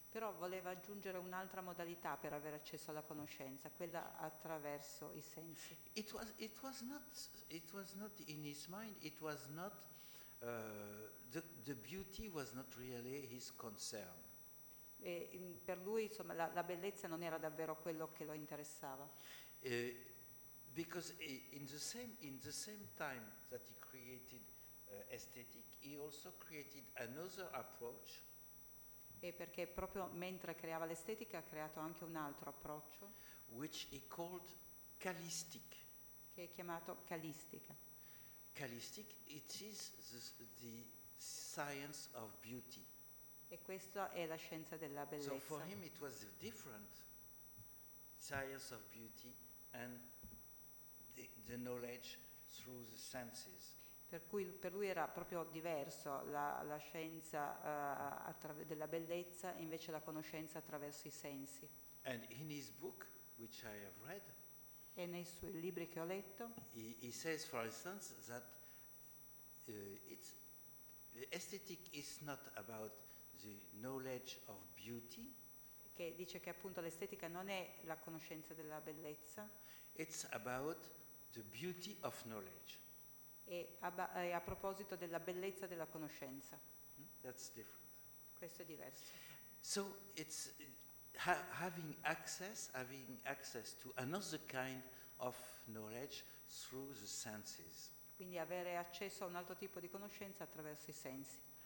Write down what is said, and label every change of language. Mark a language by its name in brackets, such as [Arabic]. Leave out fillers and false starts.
[Italian] Però voleva aggiungere un'altra modalità per avere accesso alla conoscenza, quella attraverso i sensi. [English] It was not in his mind, it was not the beauty was not really his concern. [Italian] E per lui insomma la bellezza non era davvero quello che lo interessava. [English] Because in the same time that he created aesthetic, he also created another approach. [Italian] E perché proprio mentre creava l'estetica ha creato anche un altro approccio, [English] which he called calistic, [Italian] che è chiamato calistica. [English] Calistic, it is the science of beauty. [Italian] E questa è la scienza della bellezza. [English] So for him it was different, science of beauty and the knowledge through the senses. [Italian] Per cui per lui era proprio diverso la scienza della bellezza e invece la conoscenza attraverso i sensi. [English] And in his book, which I have read, [Italian] e nei suoi libri che ho letto, [English] he says, for instance, that it's aesthetic is not about the knowledge of beauty. [Italian] Che dice che appunto l'estetica non è la conoscenza della bellezza. [English] It's about the beauty of knowledge. [Italian] E a proposito della bellezza della conoscenza. [English] That's different. [Italian] Questo è diverso. [English] So it's having access to another kind of knowledge through the senses. [Italian] Quindi avere accesso a un altro tipo di conoscenza attraverso i sensi.